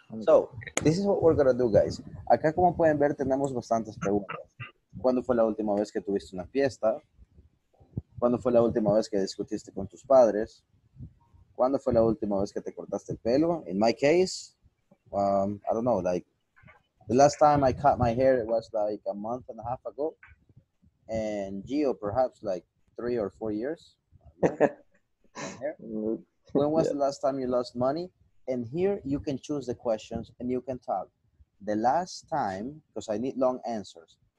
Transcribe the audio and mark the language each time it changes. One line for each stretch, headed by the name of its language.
English: So, this is what we're going to do, guys.
Spanish: Acá, como pueden ver, tenemos bastantes preguntas. ¿Cuándo fue la última vez que tuviste una fiesta? ¿Cuándo fue la última vez que discutiste con tus padres? ¿Cuándo fue la última vez que te cortaste el pelo?
English: In my case, I don't know, like, the last time I cut my hair, it was like a month and a half ago. And Gio, perhaps like 3 or 4 years. When was the last time you lost money? And here you can choose the questions and you can talk. The last time, because I need long answers.